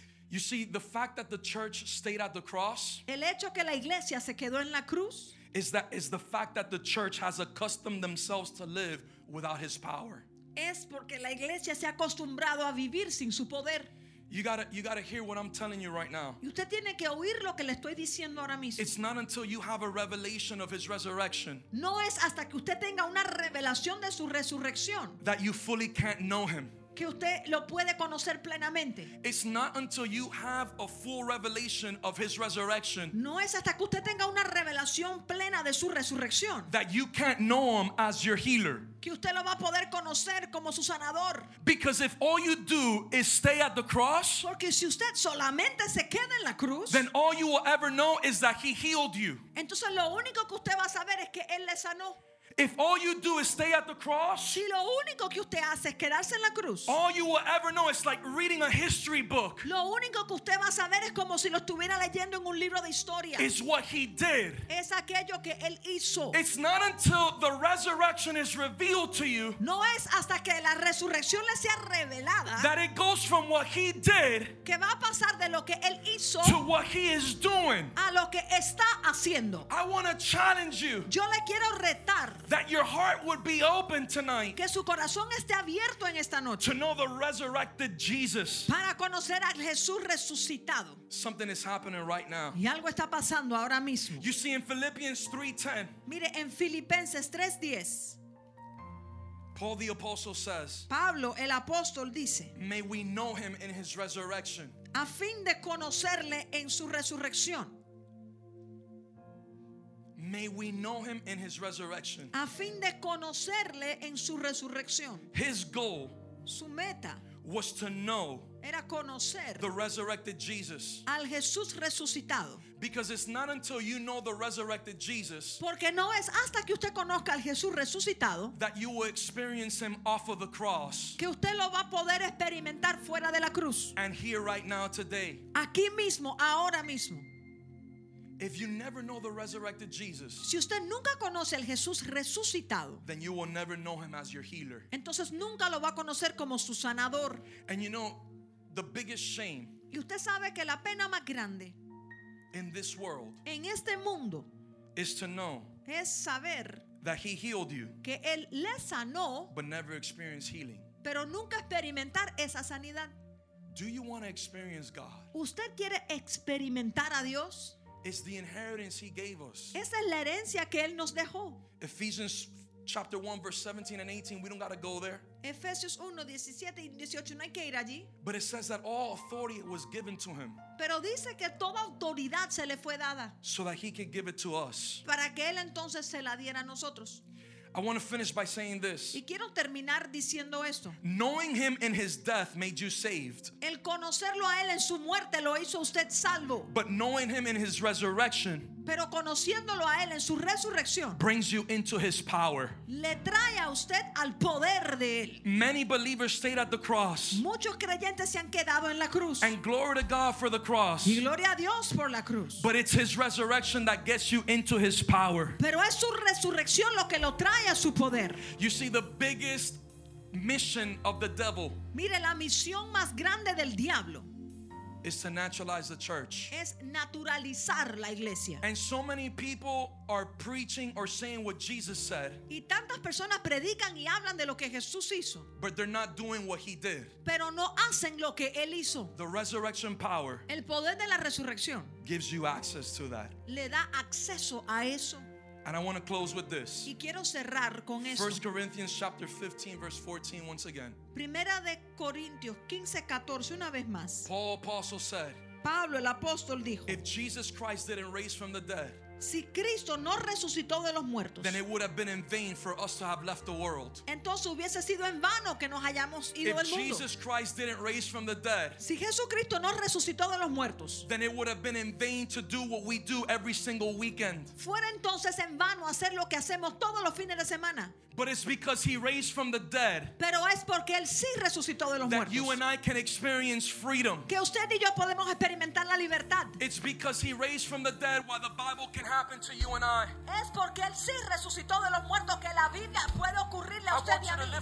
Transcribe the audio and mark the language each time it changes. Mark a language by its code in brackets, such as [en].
[en] You see, the fact that the church stayed at the cross, [es] el hecho que la iglesia se quedó en la cruz, [en] is the fact that the church has accustomed themselves to live without his power. [es] Es porque la iglesia se ha acostumbrado a vivir sin su poder. [en] You gotta hear what I'm telling you right now. [es] Usted tiene que oír lo que le estoy diciendo ahora mismo. [en] It's not until you have a revelation of his resurrection. [es] No es hasta que usted tenga una revelación de su resurrección. [en] That you fully can't know him. [es] Que usted lo puede conocer plenamente. [en] It's not until you have a full revelation of his resurrection. [es] No es hasta que usted tenga una revelación plena de su resurrección. [en] That you can't know him as your healer. [es] Que usted lo va a poder conocer como su sanador. [en] Because if all you do is stay at the cross, [es] porque si usted solamente se queda en la cruz, [en] then all you will ever know is that he healed you. [es] Entonces lo único que usted va a saber es que él le sanó. [en] If all you do is stay at the cross, [es] si lo único que usted hace es quedarse en la cruz, [en] all you will ever know is like reading a history book. [es] Lo único que usted va a saber es como si lo estuviera leyendo en un libro de historia. [en] Is what he did. [es] Es aquello que él hizo. [en] It's not until the resurrection is revealed to you. [es] No es hasta que la resurrección le sea revelada. [en] That it goes from what he did. [es] Que va a pasar de lo que él hizo. [en] To what he is doing. [es] A lo que está haciendo. [en] I want to challenge you. [es] Yo le quiero retar. [en] That your heart would be open tonight. [es] Que su corazón esté abierto en esta noche. [en] To know the resurrected Jesus. [es] Para conocer a Jesús resucitado. [en] Something is happening right now. [es] Y algo está pasando ahora mismo. [en] You see, in Philippians 3:10. [es] Mire, en Filipenses 3:10. [en] Paul the apostle says. [es] Pablo el apóstol dice. [en] May we know him in his resurrection. [es] A fin de conocerle en su resurrección. [en] May we know him in his resurrection. [es] A fin de conocerle en su resurrección. [en] His goal, [es] su meta, [en] was to know, [es] era conocer, [en] the resurrected Jesus. [es] Al Jesús resucitado. [en] Because it's not until you know the resurrected Jesus, [es] porque no es hasta que usted conozca al Jesús resucitado, [en] that you will experience him off of the cross, [es] que usted lo va a poder experimentar fuera de la cruz. [en] And here right now today, [es] aquí mismo, ahora mismo. [en] If you never know the resurrected Jesus, [es] si usted nunca conoce al Jesús resucitado, [en] then you will never know him as your healer. [es] Entonces nunca lo va a conocer como su sanador. [en] And you know, the biggest shame, [es] y usted sabe que la pena más grande, [en] in this world, [es] en este mundo, [en] is to know, [es] es saber, [en] that he healed you, [es] que él le sanó, [en] but never experience healing. [es] Pero nunca experimentar esa sanidad. [en] Do you want to experience God? [es] ¿Usted quiere experimentar a Dios? [en] It's the inheritance he gave us. [es] Esa es la herencia que él nos dejó. [en] Ephesians chapter 1 verse 17 and 18, we don't got to go there. [es] Efesios 1, 17 y 18, no hay que ir allí. [en] But it says that all authority was given to him. [es] Pero dice que toda autoridad se le fue dada. [en] So that he could give it to us. [es] Para que él entonces se la diera a nosotros. [en] I want to finish by saying this. [es] Y quiero terminar diciendo esto. [en] Knowing him in his death made you saved. [es] El conocerlo a él en su muerte lo hizo usted salvo. [en] But knowing him in his resurrection. [es] Pero conociéndolo a él en su resurrección. [en] Brings you into his power. [es] Le trae a usted al poder de él. [en] Many believers stayed at the cross. [es] Muchos creyentes se han quedado en la cruz. [en] And glory to God for the cross. [es] Y gloria a Dios por la cruz. [en] But it's his resurrection that gets you into his power. [es] Pero es su resurrección lo que lo trae a su poder. [en] You see, the biggest mission of the devil. [es] Mire, la misión más grande del diablo. [en] Is to naturalize the church. [es] Es naturalizar la iglesia. [en] And so many people are preaching or saying what Jesus said. [es] Y tantas personas predican y hablan de lo que Jesús hizo. [en] But they're not doing what he did. [es] Pero no hacen lo que él hizo. [en] The resurrection power. [es] El poder de la resurrección. [en] Gives you access to that. [es] Le da acceso a eso. [en] And I want to close with this. [es] Y quiero cerrar con esto. [en] 1 Corinthians chapter 15 verse 14 once again. [es] Primera de Corintios 15:14 una vez más. [en] Paul apostle said. [es] Pablo el apóstol dijo. [en] If Jesus Christ didn't raise from the dead. [es] Si Cristo no resucitó de los muertos. [en] Then it would have been in vain for us to have left the world. [es] Entonces hubiese sido en vano que nos hayamos ido del mundo. [en] If Jesus Christ didn't raise from the dead. [es] Si Jesucristo no resucitó de los muertos. [en] Then it would have been in vain to do what we do every single weekend. [es] Fuera entonces en vano hacer lo que hacemos todos los fines de semana. [en] But it's because he raised from the dead. [es] Pero es porque él sí resucitó de los [en] that [es] muertos. [en] You and I can experience freedom. [es] Que usted y yo podemos experimentar la libertad. [en] It's because he raised from the dead while the Bible can happen to you and I. [es] Es porque él sí resucitó de los muertos que la Biblia puede ocurrirle a usted y a mí.